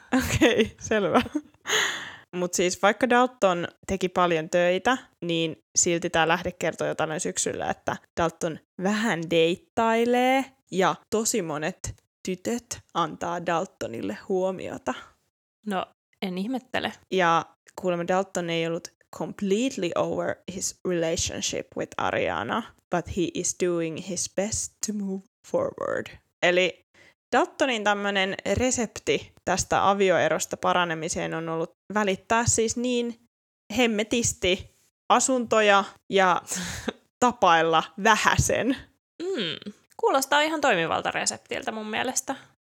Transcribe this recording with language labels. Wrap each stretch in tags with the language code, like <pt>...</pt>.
<fi>Okei, okay, selvä. Mutta siis vaikka Dalton teki paljon töitä, niin silti tämä lähde kertoo jo tänä syksyllä, että Dalton vähän deittailee ja tosi monet tytöt antaa Daltonille huomiota. No, en ihmettele. Ja kuulemma Dalton ei ollut</fi> <en>completely over his relationship with Ariana, but he is doing his best to move forward.</en> <fi>Eli Daltonin tämmönen resepti tästä avioerosta paranemiseen on ollut välittää siis niin hemmetisti asuntoja ja tapailla vähäsen. Kuulostaa ihan toimivalta reseptiltä mun mielestä.</fi>